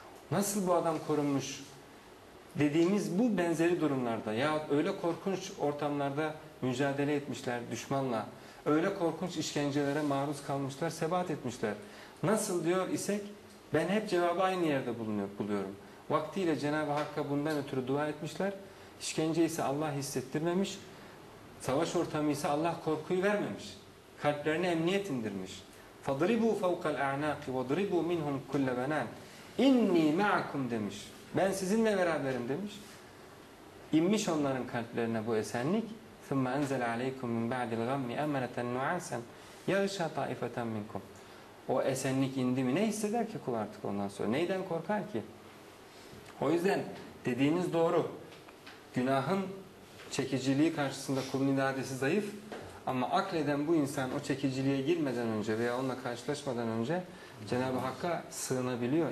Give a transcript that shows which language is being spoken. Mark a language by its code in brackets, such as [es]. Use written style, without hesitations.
[tr] Nasıl bu adam korunmuş dediğimiz bu benzeri durumlarda ya öyle korkunç ortamlarda mücadele etmişler düşmanla, öyle korkunç işkencelere maruz kalmışlar, sebat etmişler. Nasıl diyor isek ben hep cevabı aynı yerde buluyorum. Vaktiyle Cenab-ı Hakk'a bundan ötürü dua etmişler, işkence ise Allah hissettirmemiş. Savaş ortamı ise Allah korkuyu vermemiş. Kalplerine emniyet indirmiş. [ar] فَضْرِبُوا فَوْقَ الْاَعْنَاقِ وَضْرِبُوا مِنْهُمْ كُلَّ بَنَانٍ اِنِّي مَعَكُمْ demiş. [tr] Ben sizinle beraberim demiş. İnmiş onların kalplerine bu esenlik. [ar] ثُمَّ اَنْزَلَ عَلَيْكُمْ مِنْ بَعْدِ الْغَمِّ اَمَّنَةً نُعَاسًا يَغْشَى طَائِفَةً مِنْكُمْ [tr] O esenlik indi mi? Ne hisseder ki kul artık ondan sonra? Neyden korkar ki? O yüzden dediğiniz doğru. Günahın çekiciliği karşısında kulun iradesi zayıf ama akleden bu insan o çekiciliğe girmeden önce veya onunla karşılaşmadan önce Cenab-ı Hakk'a sığınabiliyor.